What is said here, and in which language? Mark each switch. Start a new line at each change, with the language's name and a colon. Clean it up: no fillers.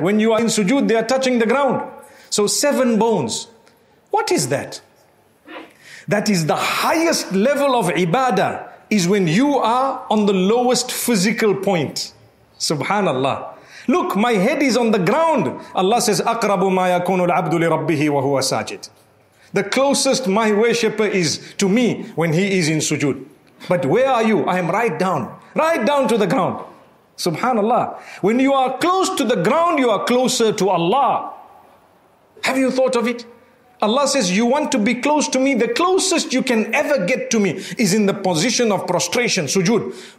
English: When you are in sujood, they are touching the ground. So seven bones. What is that? That is the highest level of ibadah. Is when you are on the lowest physical point. Subhanallah. Look, my head is on the ground. Allah says,
Arabic: أَقْرَبُ مَا يَكُونُ الْعَبْدُ لِرَبِّهِ وَهُوَ سَاجِدٌ.
English: The closest my worshipper is to me when he is in sujood. But where are you? I am right down to the ground. Subhanallah. When you are close to the ground, you are closer to Allah. Have you thought of it? Allah says, you want to be close to me, the closest you can ever get to me is in the position of prostration, sujood.